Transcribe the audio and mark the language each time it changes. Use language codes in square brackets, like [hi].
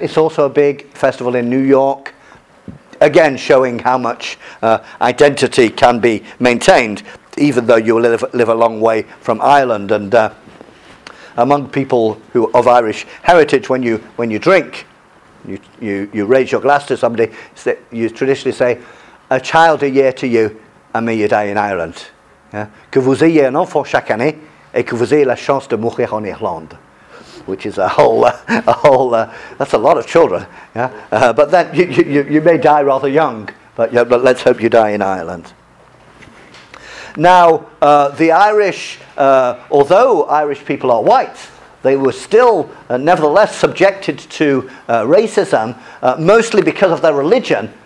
[en] It's also a big festival in New York. Again, showing how much identity can be maintained, even though you live a long way from Ireland. And among people who of Irish heritage, when you drink, you raise your glass to somebody, you traditionally say, "A child a year to you, and may you die in Ireland." Yeah? [fr] Que vous ayez un enfant chaque année, et que vous ayez la chance de mourir en Irlande. [en] Which is a whole that's a lot of children. Yeah, but then you may die rather young, but let's hope you die in Ireland. Now, the Irish, although Irish people are white, they were still nevertheless subjected to racism, mostly because of their religion.